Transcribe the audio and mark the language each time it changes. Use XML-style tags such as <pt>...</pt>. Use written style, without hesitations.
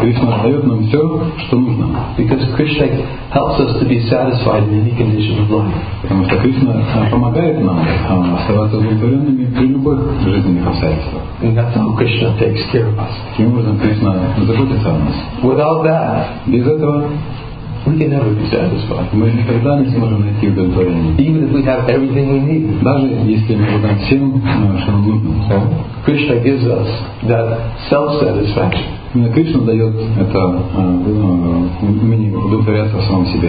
<ru>Кришна дает нам все, что нужно.</ru> <en>Because Krishna helps us to be satisfied in any condition of life.</en> <ru>Потому что Кришна помогает нам оставаться удовлетворенными при любых жизненных обстоятельствах.</ru> <en>And that's how Krishna takes care of us.</en> <ru>Таким образом, Кришна заботится о нас.</ru> <en>Without that,</en> <ru>без этого,</ru> <en>we can never be satisfied.</en> <ru>Мы никогда не сможем найти удовлетворение.</ru> <en>Even if we have everything we need.</en> <ru>Даже если мы обладаем всем, что нам нужно.</ru> <en>Krishna gives us that self-satisfaction.</en> <ru>Именно Кришна дает это умение удовлетворяться в самом себе.</ru>